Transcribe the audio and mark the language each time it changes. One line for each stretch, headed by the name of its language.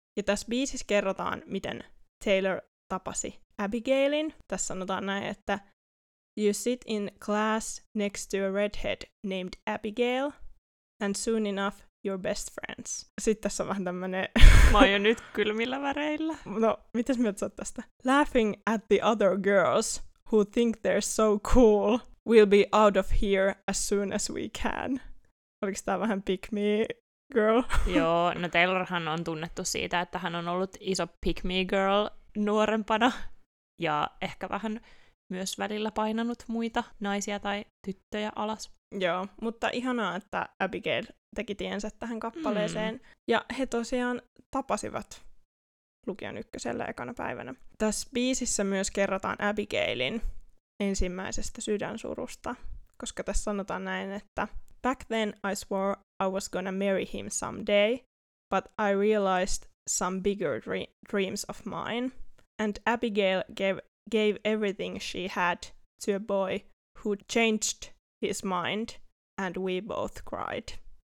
Finnish: Ja tässä biisissä kerrotaan, miten Taylor tapasi Abigailin. Tässä sanotaan näin, että
English: you sit in class next to a redhead named Abigail, and soon enough your best friends.
Finnish: Sitten tässä on vähän tämmönen mä oon jo nyt kylmillä väreillä. No, mitäs mieltä sä oot tästä?
English: Laughing at the other girls who think they're so cool will be out of here as soon as we can.
Finnish: Oliko tää vähän pick me girl? Joo, no Taylorhan on tunnettu siitä, että hän on ollut iso pick me girl nuorempana ja ehkä vähän myös välillä painanut muita naisia tai tyttöjä alas. Joo, mutta ihanaa, että Abigail teki tiensä tähän kappaleeseen. Mm. Ja he tosiaan tapasivat lukion ykkösellä ekana päivänä. Tässä biisissä myös kerrotaan Abigailin ensimmäisestä sydänsurusta, koska tässä sanotaan näin, että
English: "Back then I swore I was gonna marry him someday, but I realized some bigger dreams of mine. And Abigail gave everything she had to a boy who changed his mind, and we both cried."